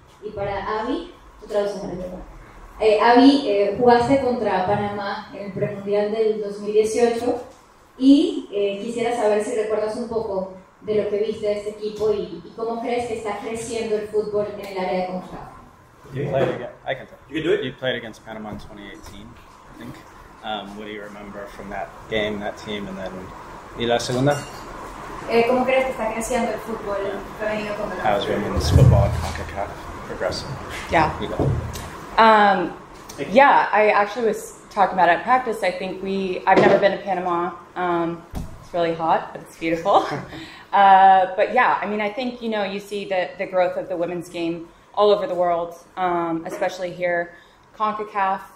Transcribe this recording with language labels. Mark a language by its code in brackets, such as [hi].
[es] Y para Abby, tú traduces al equipo. Abby, jugaste contra Panamá en el premundial del 2018 y quisiera saber si recuerdas un poco de lo que viste de este equipo y cómo crees que está creciendo el fútbol en el área de CONCACAF. [en] You played against Panama in 2018, I think. What do you remember from that game, that team, and then? [es] ¿Y la segunda? ¿Cómo crees que está creciendo el fútbol femenino? [en] How's women's football at CONCACAF progressing? Yeah, I actually was talking about it at practice. I think I've never been to Panama. It's really hot, but it's beautiful. but yeah, I mean, I think, you know, you see the growth of the women's game all over the world, especially here, CONCACAF.